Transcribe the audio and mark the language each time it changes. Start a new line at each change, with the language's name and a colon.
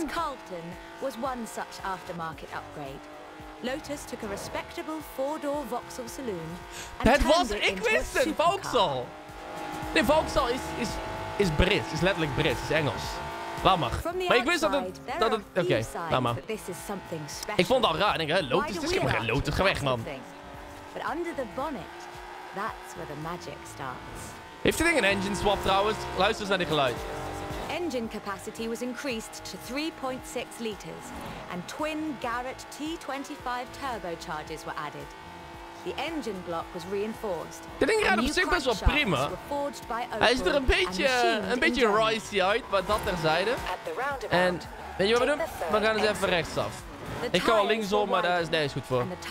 English: Lotus Carlton was one such aftermarket upgrade. Lotus took a respectable four-door Vauxhall saloon.
Dutch: Het was, ik wist het, Vauxhall. Nee, Vauxhall is Brits. Is letterlijk Brits. Is Engels. Laat maar. Maar ik wist dat het... Oké, laat maar. Ik vond het al raar. Ik denk, Lotus, dit is geen Lotus. Ga weg, man.
English: But under the bonnet, that's where the magic starts.
Dutch: Heeft dit ding een engine swap, trouwens? Luister eens naar dit geluid.
English: Engine capacity was increased to 3.6 liters. And twin Garrett T25 turbochargers were added. The engine block was reinforced.
Dutch: Dit ding rijdt op zich best wel prima. Hij is er een beetje ricey uit, maar dat terzijde. En weet je wat we doen? We gaan eens even rechtsaf. Ik kan wel linksom, maar daar is deze goed voor.